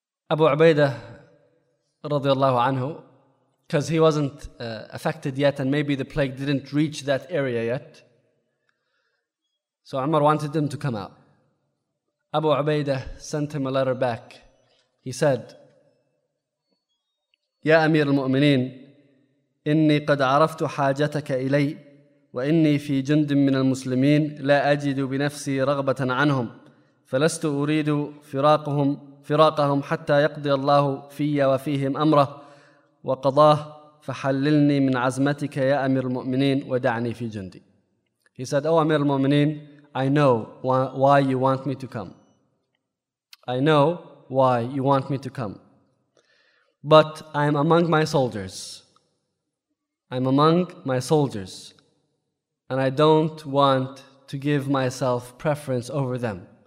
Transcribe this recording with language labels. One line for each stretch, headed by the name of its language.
English: Abu Ubaidah radiallahu anhu, because he wasn't affected yet and maybe the plague didn't reach that area yet. So Umar wanted him to come out. Abu Ubaidah sent him a letter back. He said,
Arabic: Ya Amir al-Mu'mineen, إني قد عرفت حاجتك إلي وإني في جند من المسلمين لا أجد بنفسي رغبة عنهم فلست أريد فراقهم حتى يقضي الله في وفيهم أمره وقضاه فحللني من عزمتك يا أمير المؤمنين ودعني في جندي.
English: He said, Oh Amir al-Mu'mineen, I know why you want me to come. I know why you want me to come. But I'm among my soldiers. I'm among my soldiers. And I don't want to give myself preference over them.